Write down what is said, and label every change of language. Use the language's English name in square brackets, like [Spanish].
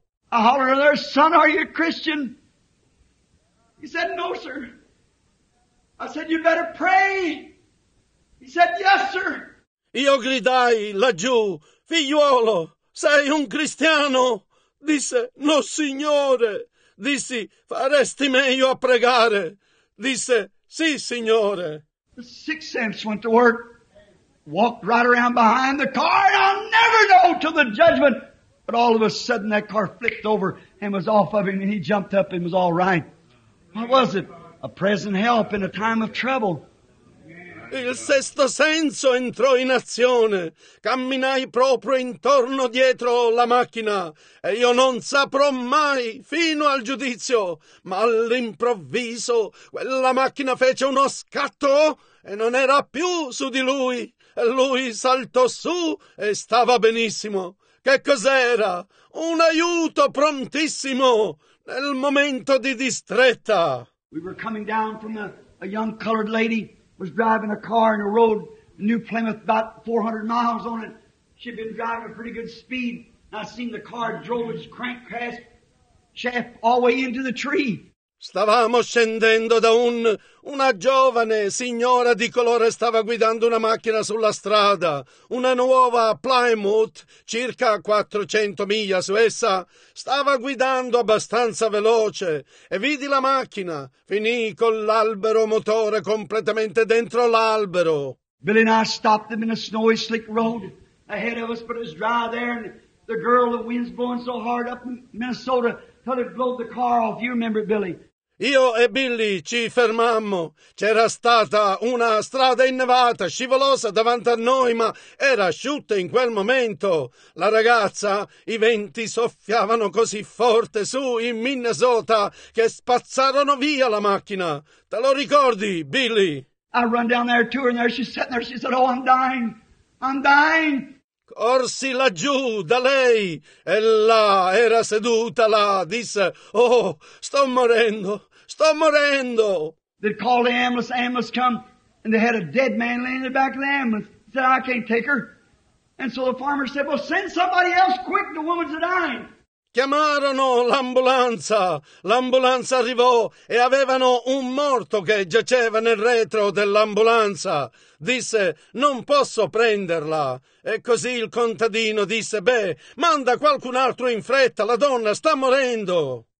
[English] I hollered to their son, "Are you a Christian?" He said, "No, sir." I said, "You better pray." He said, "Yes, sir." [Italian] Io gridai laggiù, figliuolo, sei un cristiano? Disse, no signore. Dissi, faresti meglio a pregare? Disse, sì signore. [English] The sixth sense went to work, walked right around behind the car, and I'll never know till the judgment. But all of a sudden that car flipped over and was off of him, and he jumped up and was all right. What was it? A present help in a time of trouble. [Italian] Il sesto senso entrò in azione. Camminai proprio intorno dietro la macchina. E io non saprò mai fino al giudizio. Ma all'improvviso quella macchina fece uno scatto e non era più su di lui. E lui saltò su e stava benissimo. Che cos'era? Un aiuto prontissimo nel momento di distretta. [English] We were coming down from a young colored lady was driving a car in a road, New Plymouth, about 400 miles on it. She'd been driving at pretty good speed. And I seen the car drove its crank past shaft all the way into the tree. [Italian] Stavamo scendendo da una giovane signora di colore stava guidando una macchina sulla strada, una nuova Plymouth, circa 400 miglia su essa. Stava guidando abbastanza veloce e vidi la macchina, finì con l'albero motore completamente dentro l'albero. [English] Billy and I stopped them in a snowy, slick road ahead of us, but it was dry there, and the girl, the wind's blowing so hard up in Minnesota, till it blew the car off. You remember it, Billy. [Italian] Io e Billy ci fermammo. C'era stata una strada innevata, scivolosa davanti a noi, ma era asciutta in quel momento. La ragazza, i venti soffiavano così forte su in Minnesota che spazzarono via la macchina. Te lo ricordi, Billy? [English] I run down there to her, and there she's sitting there. She said, oh, I'm dying. I'm dying. [Italian] Corsi laggiù da lei e là era seduta là, disse, oh, sto morendo, sto morendo. [English] They called the ambulance, ambulance come, and they had a dead man laying in the back of the ambulance. He said, I can't take her. And so the farmer said, well, send somebody else quick, the woman's dying. [Italian] Chiamarono l'ambulanza. L'ambulanza arrivò e avevano un morto che giaceva nel retro dell'ambulanza. Disse, non posso prenderla. E così il contadino disse, beh, manda qualcun altro in fretta, la donna sta morendo.